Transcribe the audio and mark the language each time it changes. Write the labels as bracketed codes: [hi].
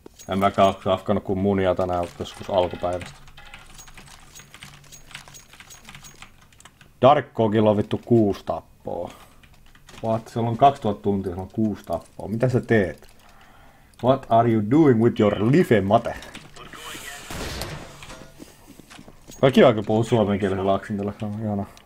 [fi] En mäkään ole safkannut kuin munia tänään joskus alkupäivästä. Darkcogilla on vittu 6 tappoa. [en] What? [fi] Siellä on 2000 tuntia, siellä on 6 tappoa. Mitä sä teet? [en] What are you doing with your life, mate? [fi] Kaikki aika puhuu suomen kielellä aksentilla, se on ihana.